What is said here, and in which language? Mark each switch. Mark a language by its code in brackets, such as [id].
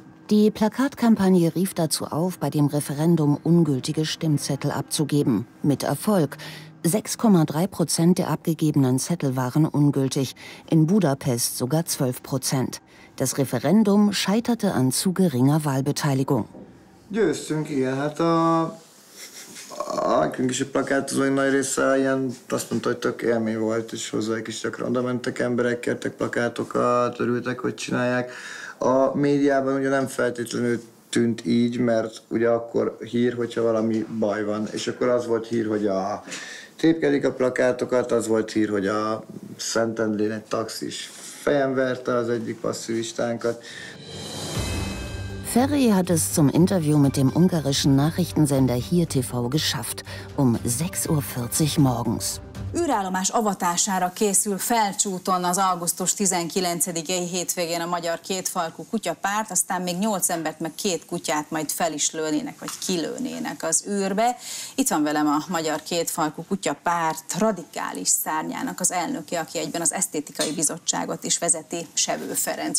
[de] Die Plakatkampagne rief dazu auf, bei dem Referendum ungültige Stimmzettel abzugeben. Mit Erfolg. 6,3% der abgegebenen Zettel waren ungültig, in Budapest sogar 12%. Das Referendum scheiterte an zu geringer Wahlbeteiligung. [hu] Győztünk, igen, hát a künkisi plakát az egy nagy része, ilyen, azt mondta, hogy tök élmény volt, és hozzá egy kis gyakran oda mentek emberek, kértek plakátokat, örültek, hogy csinálják. A médiában ugye nem feltétlenül tűnt így, mert ugye akkor hír, hogyha valami baj van, és akkor az volt hír, hogy a tépkedik a plakátokat, az volt hír, hogy a Szentendrén egy taxis fejen verte az egyik passzivistánkat. [de] Ferry hat es zum Interview mit dem ungarischen Nachrichtensender Hier TV geschafft, um 6.40 Uhr morgens. [hu] Űrállomás avatására készül Felcsúton az augusztus 19-i hétvégén a magyar kétfalkú kutyapárt, aztán még 8 embert meg 2 kutyát majd fel is lőnének, vagy kilőnének az űrbe. Itt van velem a magyar kétfalkú kutyapárt radikális szárnyának az elnöke, aki egyben az esztétikai bizottságot is vezeti, Sevő Ferenc.